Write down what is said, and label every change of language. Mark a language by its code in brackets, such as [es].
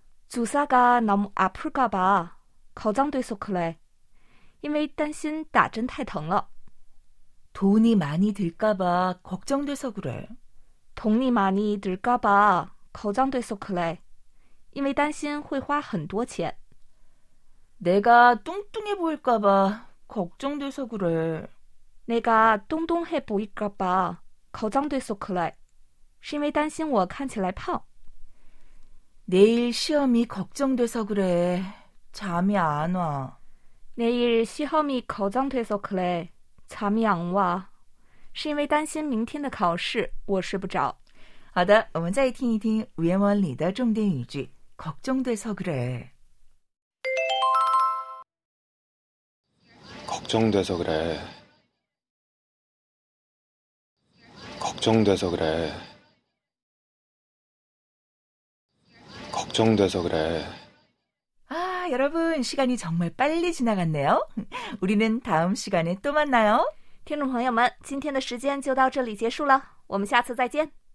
[ko] 주사가너무아플까봐걱정돼서그래， [zh] 因为担心打针太疼了。 [ko] 돈이많이들까봐걱정돼서그래， 돈이많이들까봐걱정돼서그래， [zh] 因为担心会花很多钱。 [ko] 내가 뚱뚱해 보일까 봐 걱정돼서 그래. 내가 뚱뚱해 보일까 봐 걱정돼서 그래. [zh] 是因为担心我看起来胖。 [ko] 내일 시험이 걱정돼서 그래. 잠이 안 와. 내일 시험이 걱정돼서 그래. 잠이 안 와. [zh] 是因为担心明天的考试，我睡不着。好的，我们再听一听原文里的重点语句。 [ko] 걱정돼서 그래. 걱정돼서 그래. 걱정돼서 그래. 걱정돼서 그래. 아, 여러분, 시간이 정말 빨리 지나갔네요. 우리는 다음 시간에 또 만나요. [zh] 听众朋友们，今天的时间就到这里结束了，我们下次再见。